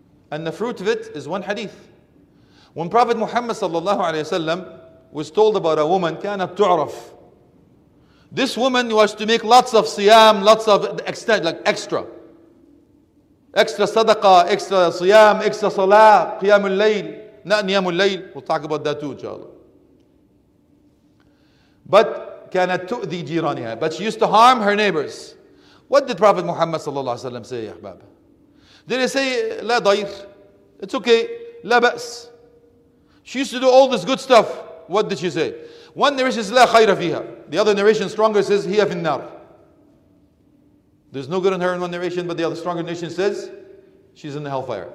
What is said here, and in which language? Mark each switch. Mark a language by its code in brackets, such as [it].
[en] And the fruit of it is one hadith. When Prophet Muhammad sallallahu alayhi wa sallam was told about a woman, [ar] كانت تعرف. [en] This woman was to make lots of siyam, lots of extent, like extra. Extra sadaqah, extra siyam, extra salah, qiyamul layl, not niyamul layl. We'll talk about that too, inshallah. But [ar] كانت تؤذي جيرانها. [en] But she used to harm her neighbors. What did Prophet Muhammad sallallahu alayhi wa sallam say, أحباب? Did he say, [ar] لا ضير. [en] It's okay. [ar] لا بأس. [en] She used to do all this good stuff. What did she say? One narration says, [ar] لا خير فيها. [en] The other narration stronger says, [ar] هي في النار. [en] There's no good in her in one narration, but the other stronger narration says, she's in the hellfire.